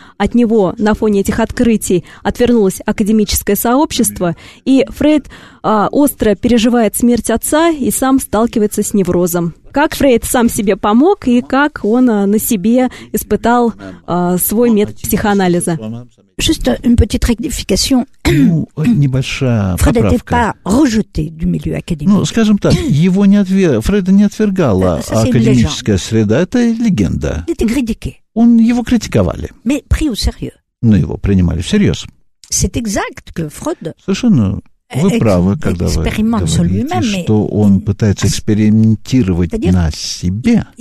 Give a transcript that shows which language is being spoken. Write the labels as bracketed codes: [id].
[ru] От него на фоне этих открытий отвернулось академическое сообщество. И Фрейд остро переживает смерть отца и сам сталкивается с неврозом. Как Фрейд сам себе помог и как он на себе испытал свой метод психоанализа? [fr] Juste une petite rectification. [ru] Фрейд не был [fr] rejeté du milieu académique. [ru] Ну, скажем так, его не Фрейда не отвергала академическая среда, это легенда. [fr] Il était critiqué. [ru] Он его критиковали. [fr] Mais pris au sérieux. [ru] Но его принимали всерьез. [fr] C'est exact que Freud. [ru] Совершенно. Вы правы, когда вы говорите, что он пытается экспериментировать на себе.